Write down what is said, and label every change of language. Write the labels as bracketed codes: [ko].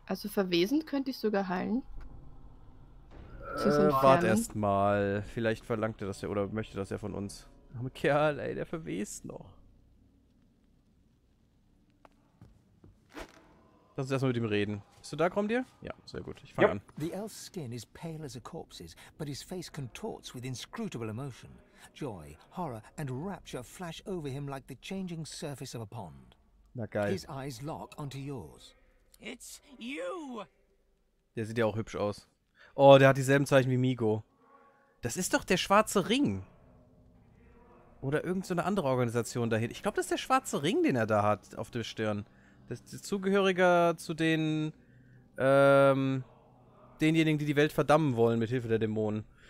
[de] Also verwesend könnte ich sogar heilen. Wart erst mal. Vielleicht verlangt er das ja oder möchte das ja von uns. Arme Kerl, ey, der verwest noch. Lass uns erstmal mit ihm reden. Bist du da, Gromdir? Ja, sehr gut. Ich fange an. [en] The elf's skin is pale as a corpse's, but his face contorts with inscrutable emotion. Joy, horror and rapture flash over him like the changing surface of a pond. [de] Na geil. [en] His eyes lock onto yours. It's you! [de] Der sieht ja auch hübsch aus. Oh, der hat dieselben Zeichen wie Migo. Das ist doch der schwarze Ring. Oder irgendeine andere Organisation dahin. Ich glaube, das ist der schwarze Ring, den er da hat auf der Stirn. Das ist Zugehöriger zu den denjenigen, die Welt verdammen wollen mit Hilfe der Dämonen.